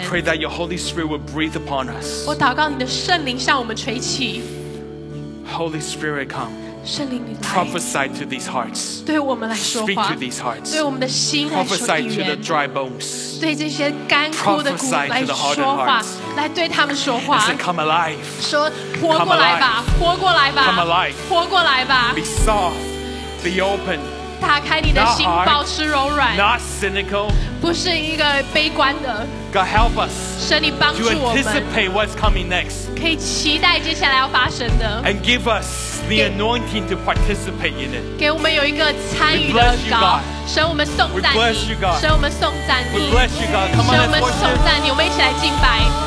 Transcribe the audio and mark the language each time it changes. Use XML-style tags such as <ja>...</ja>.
<en>I pray that your Holy Spirit would breathe upon us.</en> <zh>我祷告你的圣灵向我们吹气。</zh> <en>Holy Spirit, come.</en> <zh>圣灵，你来。</zh> <en>Prophesy to these hearts.</en> <zh>对我们来说话。</zh> <en>Speak to these hearts.</en> <zh>对我们的心来说语言。</zh> <en>Prophesy to the dry bones.</en> <zh>对这些干枯的骨来说话，来对他们说话。</zh> <en>Say, come alive.</en> <zh>说活过来吧，活过来吧。</zh> <en>Come alive.</en> <zh>活过来吧。</zh> <en>Be soft. Be open.</en> <zh>打开你的心，保持柔软。</zh> <en>Not cynical.</en> <zh>不是一个悲观的。</zh> <en>God help us.</en> <zh>神，你帮助我们。</zh> <en>To anticipate what's coming next.</en> <zh>可以期待接下来要发生的。</zh> <en>And give us the anointing to participate in it.</en> <zh>给我们有一个参与的膏。神，我们颂赞你。</zh> <en>We bless you, God.</en> <zh>神，我们颂赞你。</zh> <en>We bless you, God. Come on, let's worship.</en> <zh>神，我们颂赞你。我们一起来敬拜。</zh>